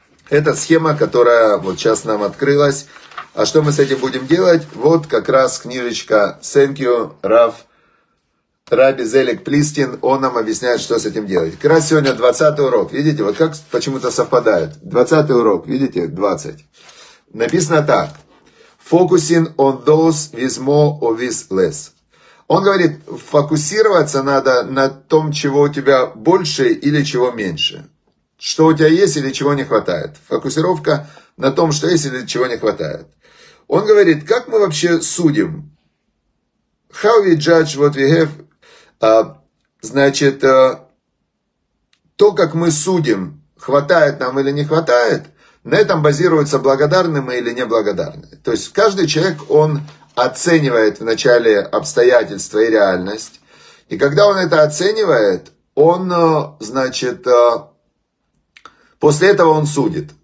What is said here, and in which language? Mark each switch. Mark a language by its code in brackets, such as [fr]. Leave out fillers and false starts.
[ru] Это схема, которая вот сейчас нам открылась. А что мы с этим будем делать? Вот как раз книжечка «Thank you, Rav». Раби Зелик Плистин, он нам объясняет, что с этим делать. Как раз сегодня 20 урок, видите, вот как почему-то совпадает. 20 урок, видите, 20. Написано так. [en] Focusing on those with more or with less. [ru] Он говорит, фокусироваться надо на том, чего у тебя больше или чего меньше. Что у тебя есть или чего не хватает. Фокусировка на том, что есть или чего не хватает. Он говорит, как мы вообще судим? [en] How we judge what we have? [ru] Значит, то, как мы судим, хватает нам или не хватает, на этом базируется, благодарны мы или неблагодарны. То есть каждый человек, он оценивает вначале обстоятельства и реальность. И когда он это оценивает, он, значит, после этого он судит.